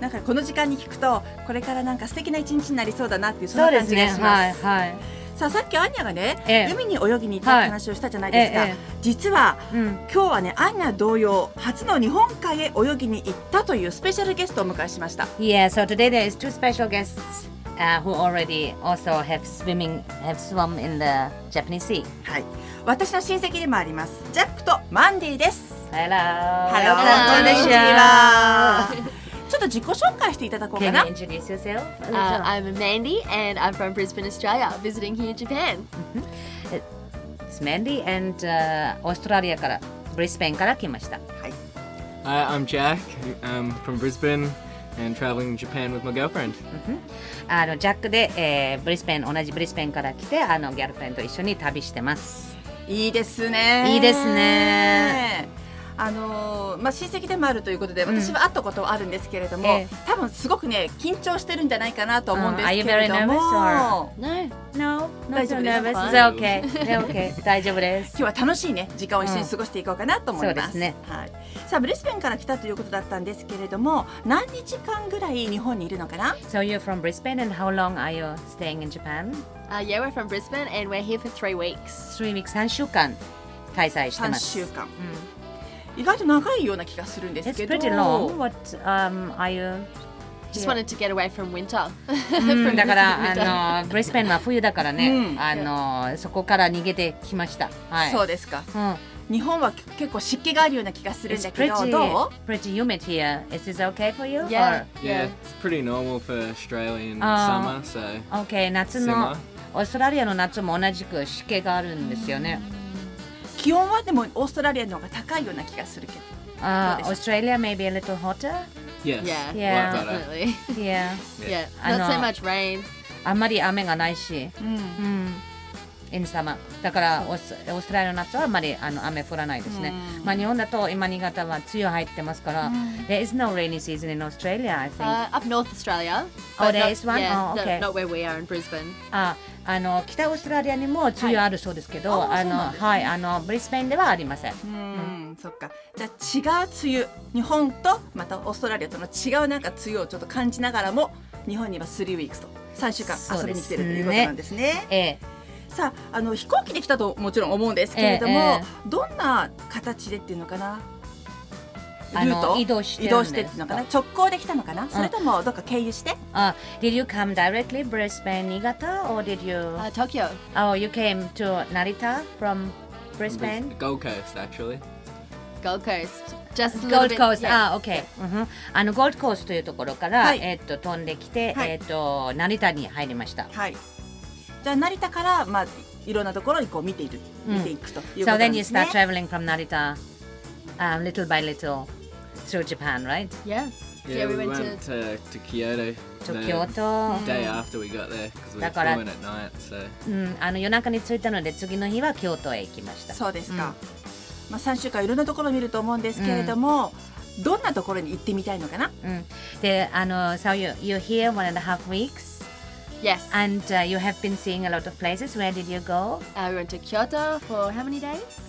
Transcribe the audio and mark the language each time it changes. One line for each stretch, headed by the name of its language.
Japanese: なんかこの時間に聞くと、これからなんか素敵な一日になりそうだなっていう、そんな感じがします。そうですね、はいはい。さあ、さっきアンニャがね、海に泳ぎに行ったって話をしたじゃないですか、実は、うん、今日はね、アンニャ同様初の日本海へ泳ぎに行ったというスペシャルゲストをお迎えしました。
English: Yeah, so today there is two special guests、who already also have swimming, have swum in the Japanese sea.
Japanese: はい、私の親戚でもあります、ジャックとマンディです。
English: Hello Hello,
Japanese: こんにちは。ちょっと自己紹介していただこうかな。
English: Can you introduce yourself?、 I'm Mandy and I'm from Brisbane, Australia, visiting here in Japan. It's Mandy and、
Japanese: Australia から、Brisbane から来ました。はい。
English: I'm Jack, I'm from Brisbane and traveling in Japan with my girlfriend.
Japanese: あの、ジャックで、Brisbane、同じ Brisbane から来て、あの、ギャルフレンドと一緒に旅してます。いいですね。いいですね。まあ、親戚でもあるということで、私は会ったことはあるんですけれども、うん、多分すごくね、緊張してるんじゃないかなと思うんですけれども。
English: Are you very nervous? Or... No, no, not so nervous. It's okay. It's okay.
Japanese: 大丈夫です。今日は楽しいね、時間を一緒に過ごしていこうかなと思います、うん、そうですね、はい。さあ、ブリスベンから来たということだったんですけれども、何日間ぐらい日本にいるのかな。
English: So you're from Brisbane and how long are you staying in Japan?、 Yeah, we're from Brisbane and we're here for 3 weeks. 3 weeks,
Japanese: 3週間滞在してます。 3週間、うん、意外と長いような気がするんですけど。
English: It's pretty long. What, are you? Just wanted to get away from winter.
Japanese: だから、あの、ブリスベンは冬だからね、あの、そこから逃げてきました。はい。そうですか。うん。日本は結構湿気があるような気がするんだけど、どう？
English: It's pretty humid here. Is this okay for you? Yeah. Or... Yeah, it's pretty normal for Australian summer, so.
Japanese: Okay, 夏の、オーストラリアの夏も同じく湿気があるんですよね。気温はでもオーストラリアの方が高いような気がするけど。オーストラリア
English: maybe a little hotter? Yes, yeah, a lot better. Yeah. Yeah. Yeah. Not so much rain.
Japanese: あんまり雨がないし。うん。うん。インサマ。だからオーストラリアの夏はあんまり、あの、雨降らないですね。うん、まあ、日本だと今新潟は梅雨入ってますから。
English: うん、there is no rainy season in Australia, I think.、 Up North Australia. Oh, there is one? Yeah, oh, okay. Not where we are in Brisbane.
Japanese: あの、北オーストラリアにも梅雨あるそうですけど、はい、あの、ね、はい、あの、ブリスベンではありません。うん、そっか。じゃあ、違う梅雨、日本とまたオーストラリアとの違うなんか梅雨をちょっと感じながらも、日本には
English: 3 weeks
Japanese: と3週間遊びに来てるということなんですね。ええ。さあ、あの飛行機で来たともちろん思うんですけれども、どんな形でっていうのかな、あのルート移動してっていうのかな、直行で来たのかな、それともどっか経由して、
English: Did you come directly Brisbane 新潟 or did you Tokyo? Oh, you came to Narita from Brisbane? Gold Coast actually. Gold Coast. Just Gold Coast. Yeah.
Japanese: Ah, okay. Uh-huh. あの Gold Coast というところから、はい、飛んできて、はい、成田に入りました。はい。じゃあ成田からまあいろんなところにこう見ている、見ていくということですね。
English: So then you start traveling from Narita, little by little, through Japan, right? Yeah. Yeah, we went to Kyoto. To Kyoto. Day after we got there, because we were flying at night. So.
Japanese: あの夜中に着いたので次の日は京都へ行きました。そうですか。まあ、3週間いろんなところを見ると思うんですけれども、どんなところに行ってみたいのかな、
English: で、So you're here 1.5 weeks? Yes. And、you have been seeing a lot of places. Where did you go?、 We went to Kyoto for how many days?